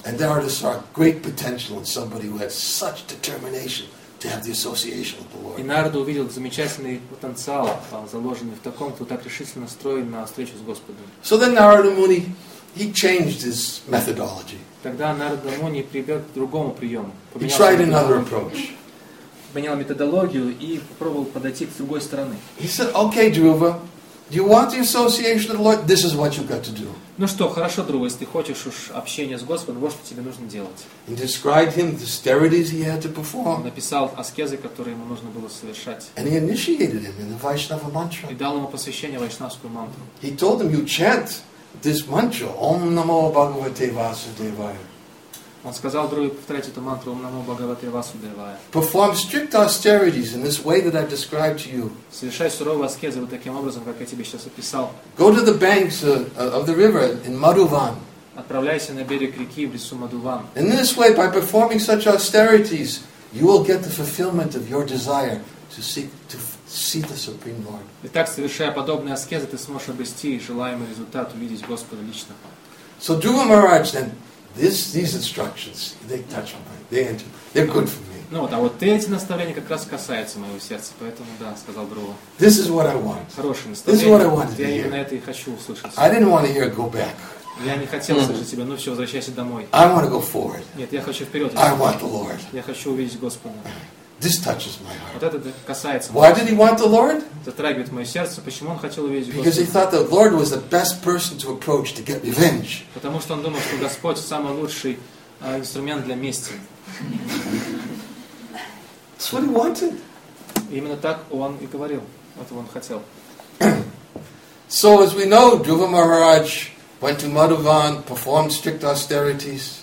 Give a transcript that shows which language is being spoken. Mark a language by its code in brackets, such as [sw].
[en] And Narada saw great potential in somebody who had such determination to have the association of the Lord. [ru] И Нарада увидел замечательный потенциал, заложенный в таком, кто так решительно настроен на встречу с Господом. [en] So then Narada Muni, he changed his methodology. [ru] Тогда Нарада Муни прибег к другому приему. [en] He tried another approach. [ru] поменял методологию и попробовал подойти с другой стороны. [en] He said, "Okay, Dhruva, do you want the association of the Lord? This is what you've got to do." [ru] Ну что, хорошо, Друва, если ты хочешь уж общение с Господом, вот что тебе нужно делать. [en] And described him the austerities he had to perform. [ru] Написал аскезы, которые ему нужно было совершать. [en] And he initiated him in the Vaishnava mantra. [ru] И дал ему посвящение вайшнавскую мантру. [en] He told him, "You chant this mantra, [sa] Om Namo Bhagavate Vasudevaya." [ru] Он сказал Друве повторять эту мантру [sa] Ом Намо Бхагавате Васудевая. [en] Perform strict austerities in this way that I've described to you. [ru] Совершай суровые аскезы вот таким образом, как я тебе сейчас описал. [en] Go to the banks of the river in Madhuvan. [ru] Отправляйся на берег реки в лесу Мадхуван. [en] In this way, by performing such austerities, you will get the fulfillment of your desire to seek to see the Supreme Lord. [ru] Итак, совершая подобные аскезы, ты сможешь обрести желаемый результат, увидеть Господа лично. [en] So Dhruva Maharaj then. These instructions, they touch on me, they enter, they're good for me. [ru] Ну вот, а вот эти наставления как раз касаются моего сердца, поэтому да, сказал Дрова. [en] This is what I want. [ru] Хорошие наставления. [en] This is what I wanted to hear. [ru] Я именно это и хочу услышать. [en] I didn't want to hear go back. [ru] Я не хотел слышать тебя, ну все, возвращайся домой. [en] I want to go forward. [ru] Нет, я хочу вперед. [en] I want the Lord. [ru] Я хочу увидеть Господа. [en] This touches my heart. [ru] Вот это касается. [en] Why did he want the Lord? [ru] Затрагивает мое сердце. Почему он хотел увидеть Господа? [en] Because he thought the Lord was the best person to approach to get revenge. [ru] Потому что он думал, что Господь самый лучший инструмент для мести. [en] That's what he wanted. [ru] Именно так он и говорил. Это он хотел. [en] So as we know, Dhruva Maharaj went to Madhuvan, performed strict austerities.